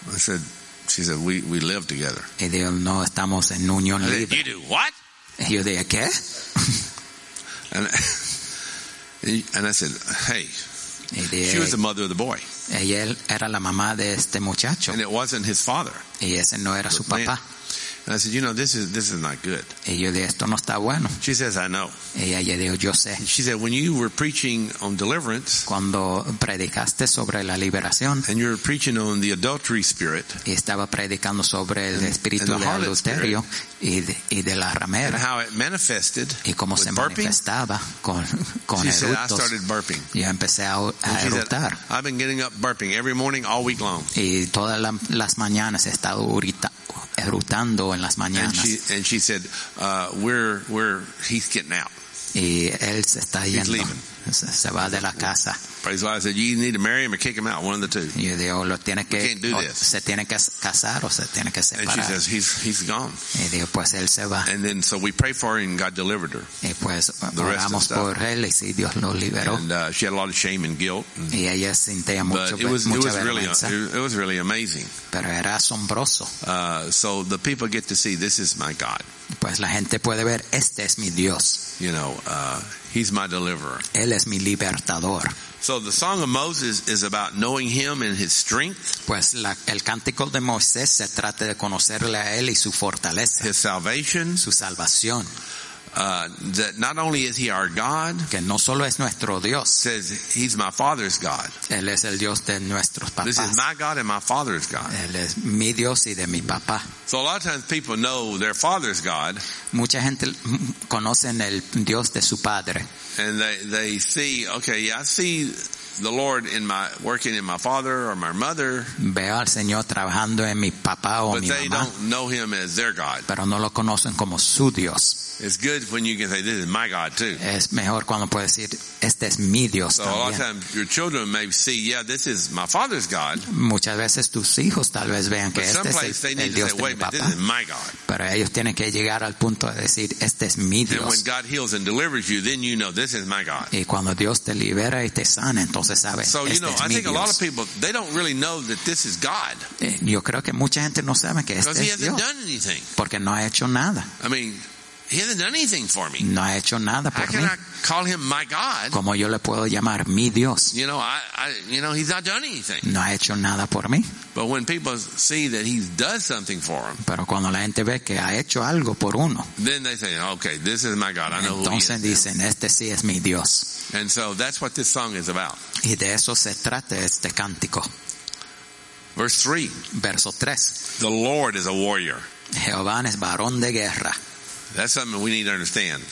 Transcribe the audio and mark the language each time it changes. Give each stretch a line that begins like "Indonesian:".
English: I said. She said, "We live together."
Spanish: Y dijo, "No, estamos en unión libre."
English: You do what?
Spanish: Y yo dije, ¿qué?
English: And I said, "Hey."
Spanish: Y dije,
English: she was the mother of the boy.
Spanish: Y él era la mamá de este muchacho.
English: And it wasn't his father.
Spanish: Y ese no era su papá.
English: And I said, "You know, this is not good."
Spanish: Y yo dije, esto no está bueno.
English: She says, "I know."
Spanish: Y ella dijo, yo sé.
English: She said, "When you were preaching on deliverance,
Spanish: cuando predicaste sobre la liberación,
English: and you were preaching on the adultery spirit,
Spanish: y estaba predicando sobre el espíritu
English: and the
Spanish: de adulterio y de la ramera,
English: and how it manifested,
Spanish: y cómo se manifestaba con
English: she said, "I started burping."
Spanish: Y yo empecé a eructar.
English: "I've been getting up burping every morning all week long."
Spanish: Y todas las mañanas he estado eructando en las mañanas.
English: And she said, he's getting out.
Spanish: Y él se está
English: he's
Spanish: yendo.
English: Leaving.
Spanish: Se va de la casa.
English: Praise God. I said, "You need to marry him or kick him out. One of the two."
Spanish: Y dijo, lo tiene que,
English: we can't do this.
Spanish: Se tiene que casar o se tiene que separar.
English: And she says, he's gone.
Spanish: Y dijo, pues él se va.
English: And then so we prayed for her and God delivered her.
Spanish: Y pues oramos por él y sí, Dios lo liberó.
English: And she had a lot of shame and guilt.
Spanish: Y ella sentía
English: it was really amazing.
Spanish: Pero era asombroso.
English: So the people get to see, "This is my God."
Spanish: Pues la gente puede ver, este es mi Dios.
English: You know, he's my deliverer.
Spanish: Él es mi libertador.
English: So the song of Moses is about knowing him and his strength.
Spanish: Pues el cántico de Moisés se trata de conocerle a él y su fortaleza.
English: His salvation.
Spanish: Su salvación.
English: That not only is he our God.
Spanish: Que no solo es nuestro Dios.
English: Says he's my father's God.
Spanish: Él es el Dios de nuestros papás.
English: This is my God and my father's God.
Spanish: Él es mi Dios y de mi papá.
English: So a lot of times people know their father's God.
Spanish: Mucha gente conocen el Dios de su padre.
English: And they see, okay, yeah, I see the Lord working in my father or my mother.
Spanish: Veo al Señor trabajando en mi papá o mi mamá.
English: But they don't know him as their God.
Spanish: Pero no lo conocen como su Dios.
English: It's good when you can say, "This is my God too."
Spanish: Es mejor cuando puedes decir, este es mi Dios.
English: So a lot of times your children may see, "Yeah, this is my father's God."
Spanish: Muchas veces tus hijos tal vez vean que este es el Dios de mi papá.
English: "This is my God."
Spanish: Pero ellos tienen que llegar al punto de decir, este es mi Dios.
English: And when God heals and delivers you, then you know, "This is my God."
Spanish: Y cuando Dios te libera y te sana, entonces sabes,
English: so, you know,
Spanish: este es
English: I
Spanish: mi
English: think
Spanish: Dios.
English: A lot of people, they don't really know that this is God.
Spanish: Yo creo que mucha gente no sabe que este es Dios.
English: Because he hasn't done anything.
Spanish: Porque no ha hecho nada.
English: I mean, he hasn't done anything for me.
Spanish: No ha hecho nada por mí.
English: How can
Spanish: mí?
English: I call him my God?
Spanish: Como yo le puedo llamar mi Dios.
English: You know, I he's not done anything.
Spanish: No ha hecho nada por mí.
English: But when people see that he does something for them,
Spanish: pero cuando la gente ve que ha hecho algo por uno,
English: then they say, "Okay, this is my God. I know who he is."
Spanish: Entonces dicen, este sí es mi Dios.
English: And so that's what this song is about.
Spanish: Y de eso se trata este cántico. Verso 3.
English: The Lord is a warrior.
Spanish: Jehová es varón de guerra.
English: That's something we need to understand.